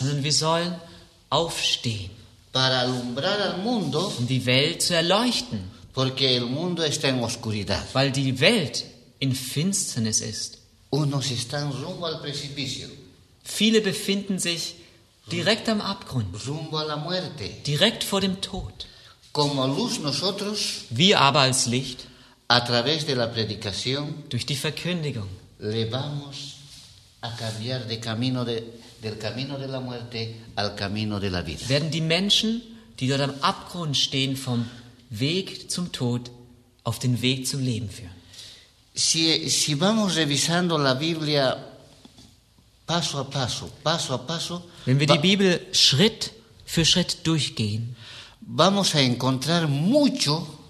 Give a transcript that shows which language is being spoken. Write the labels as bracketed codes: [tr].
[de] Sondern wir sollen aufstehen. [es] Para alumbrar al mundo. [de] Um die Welt zu erleuchten. [es] Porque el mundo está en oscuridad. [de] Weil die Welt in Finsternis ist. [es] Unos están rumbo al precipicio. [de] Viele befinden sich direkt am Abgrund, [es] rumbo a la muerte, [de] direkt vor dem Tod. [es] Como luz nosotros, [de] wir aber als Licht, [es] a través de la predicación, [de] durch die Verkündigung, [es] le vamos a cambiar de camino de, del camino de la muerte al camino de la vida. [de] Werden die Menschen, die dort am Abgrund stehen, vom Weg zum Tod auf den Weg zum Leben führen. [es] Si vamos revisando la Biblia paso a paso, paso a paso. [de] Wenn wir die Bibel Schritt für Schritt durchgehen, [es] vamos a encontrar mucho